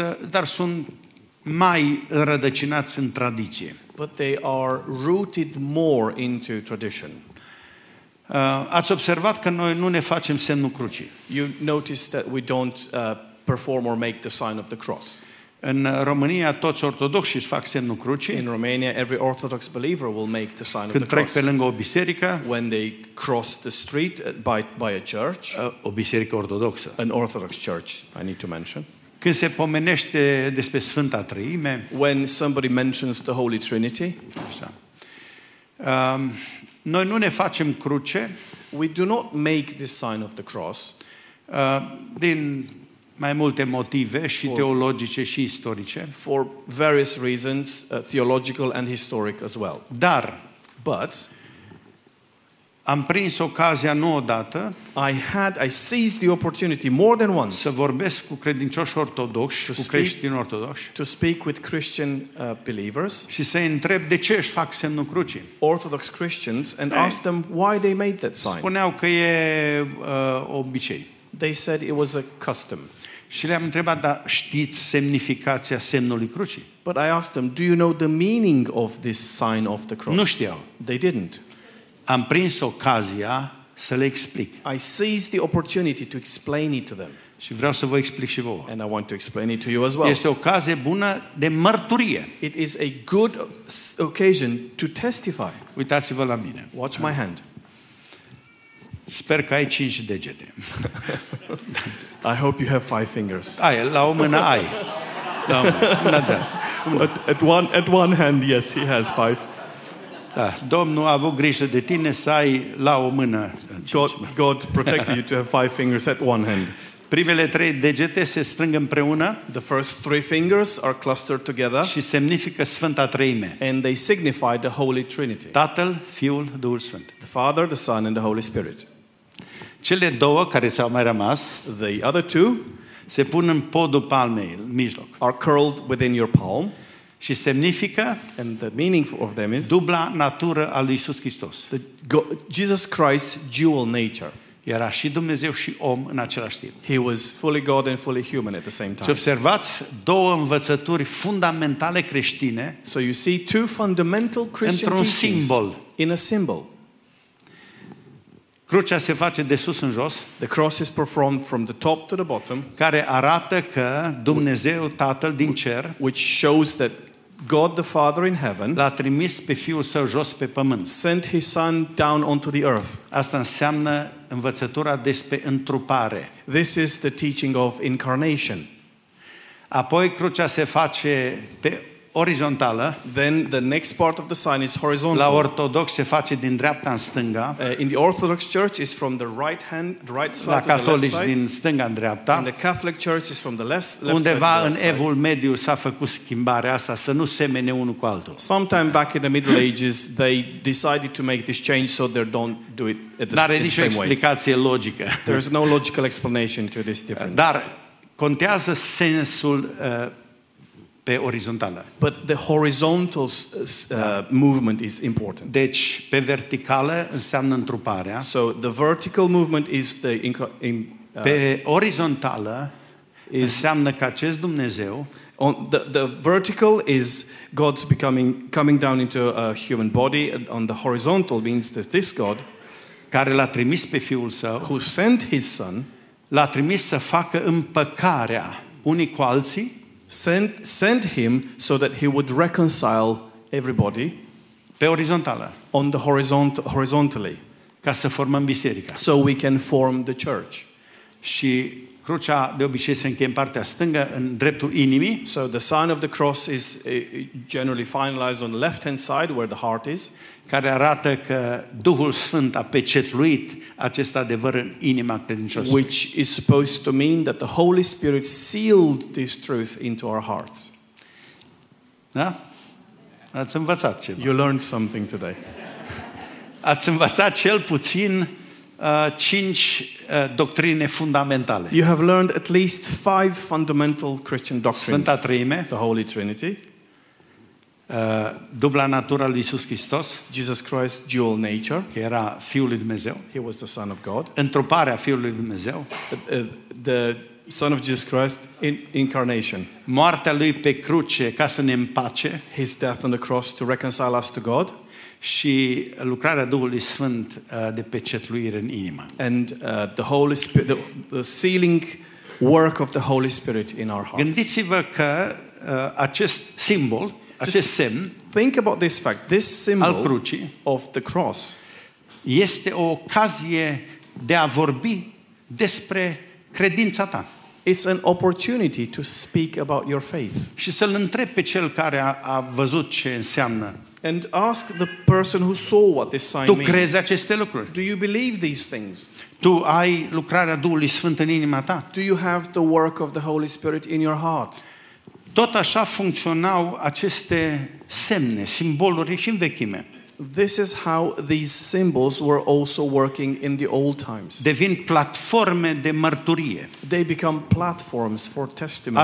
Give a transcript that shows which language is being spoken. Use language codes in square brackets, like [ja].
[ro] dar sunt mai rădăcinați în tradiție. [en] But they are rooted more into tradition. [ro] Ați observat că noi nu ne facem semnul crucii. [en] You notice that we don't perform or make the sign of the cross. [ro] În România toți ortodoxii fac semnul crucii. [en] In Romania every Orthodox believer will make the sign of the cross. [ro] Când trec pe lângă o biserică, [en] when they cross the street by a church, [ro] o biserică ortodoxă. [en] An Orthodox church, I need to mention. [ro] Când se pomenește despre Sfânta Treime, [en] when somebody mentions the Holy Trinity. [ro] Noi nu ne facem cruce. [en] We do not make this sign of the cross. [ro] Din mai multe motive și teologice și istorice. [en] For various reasons, theological and historic as well. [ro] Dar, [en] but [ro] am prins ocazia nu odată. [en] I seized the opportunity more than once. [ro] Să vorbesc cu credincioși ortodoxi, cu creștini ortodoxi. [en] To speak with Christian believers. [ro] Și să întreb de ce își fac semnul crucii. [en] Orthodox Christians and ask them why they made that sign. [ro] Spuneau că e obicei. [en] They said it was a custom. [ro] Și le-am întrebat, dar știți semnificația semnului crucii? [en] But I asked them, do you know the meaning of this sign of the cross? [ro] Nu știau. [en] They didn't. [ro] Am prins ocazia să le explic. [en] I seized the opportunity to explain it to them. [ro] Și vreau să vă explic și vouă. [en] And I want to explain it to you as well. [ro] Este o ocazie bună de mărturie. [en] It is a good occasion to testify. [ro] Uitați-vă la mine. [en] Watch my hand. [ro] Sper că ai 5 degete. [en] I hope you have 5 fingers. [ro] Ai, la o mână ai. La o mână, da. [en] At one hand, yes, he has 5. [ro] Da, Domnul a avut grijă de tine să ai la o mână. [en] God protected you to have 5 fingers at one hand. [ro] Primele 3 degete se strâng împreună. [en] The first 3 fingers are clustered together. [ro] Și semnifică Sfânta Treime. [en] And they signify the Holy Trinity. [ro] Tatăl, Fiul, Duhul Sfânt. [en] The Father, the Son and the Holy Spirit. [ro] Cele două care s-au mai rămas, [en] the other two, [ro] se pun în podul palmei, în mijloc. [en] Are curled within your palm. [ro] Și semnifică, [en] and the meaning of them is, [ro] dubla natură a lui Iisus Hristos. [en] Jesus Christ's dual nature. [ro] Era și Dumnezeu și om în același timp. [en] He was fully God and fully human at the same time. [ro] Și observați două învățături fundamentale creștine. [en] So you see two fundamental Christian teachings. [ro] Într-un simbol. [en] In a symbol. [ro] Crucea se face de sus în jos. [en] The cross is performed from the top to the bottom. [ro] Care arată că Dumnezeu Tatăl din cer, [en] which shows that God the Father in heaven, [ro] l-a trimis pe Fiul Său jos pe pământ. [en] Sent his Son down onto the earth. [ro] Asta înseamnă învățătura despre întrupare. [en] This is the teaching of incarnation. [ro] Apoi crucea se face pe orizontală. [en] Then the next part of the sign is horizontal. [ro] La ortodox se face din dreapta în stânga. [en] In the Orthodox Church is from the right hand, right side. [ro] La catolic din stânga în dreapta. [en] And the Catholic Church is from the left. [ro] Undeva în Evul Mediu s-a făcut schimbarea asta să nu semene unul cu altul. [en] Sometime back in the Middle Ages they decided to make this change so they don't do it at the same way. [ro] Dar nicio explicație logică. [en] There is no logical explanation to this difference. [ro] Dar contează sensul pe orizontală. [en] But the horizontal movement is important. [ro] Deci, pe verticală înseamnă întruparea. [en] So the vertical movement is the [ro] pe orizontală înseamnă că acest Dumnezeu [en] on the vertical is God's coming down into a human body, and on the horizontal means that this God [ro] care l-a trimis pe Fiul Său, [en] who sent his Son, [ro] l-a trimis să facă împăcarea unii cu alții. [en] Sent him so that he would reconcile everybody. [ro] Pe orizontală. [en] On the horizontally. [ro] Ca să formăm biserica. [en] So we can form the church. [ro] Și crucea de obicei se încheie în partea stângă, în dreptul inimii. [en] So the sign of the cross is generally finalized on the left-hand side where the heart is. [ro] Care arată că Duhul Sfânt a pecetluit acest adevăr în inima credincioșilor. [en] Which is supposed to mean that the Holy Spirit sealed this truth into our hearts. [ro] Da? Ați învățat ceva. [en] You learned something today. [ro] Ați învățat cel puțin cinci doctrine fundamentale. [en] You have learned at least five fundamental Christian doctrines. [ro] Sfânta Treime. [en] The Holy Trinity. [ro] Dubla natura lui Iisus Hristos. [en] Jesus Christ, dual nature. [ro] Că era Fiul lui Dumnezeu. [en] He was the Son of God. [ro] Întruparea Fiului Dumnezeu. [en] The Son of Jesus Christ in incarnation. [ro] Moartea lui pe cruce ca să ne împace. [en] His death on the cross to reconcile us to God. [ro] Și lucrarea Duhului Sfânt de pecetluire în inimă. [en] And the Holy Spirit, the sealing work of the Holy Spirit in our hearts. [ro] Gândiți-vă că acest simbol, acest semn, [en] think about this fact, this symbol [ro] al crucii, [en] of the cross, [ro] este o ocazie de a vorbi despre credința ta. [en] It's an opportunity to speak about your faith. [ro] Și să-l întreb pe cel care a văzut ce înseamnă. [en] And ask the person who saw what this sign means. [ro] Tu crezi aceste lucruri? [en] Do you believe these things? [ro] Tu ai lucrarea Duhului Sfânt în inima ta? [en] Do you have the work of the Holy Spirit in your heart? [ro] Tot așa funcționau aceste semne, simboluri și în vechime. [en] This is how these symbols were also working in the old times. [ro] Devin platforme de mărturie. [en] They become platforms for testimony.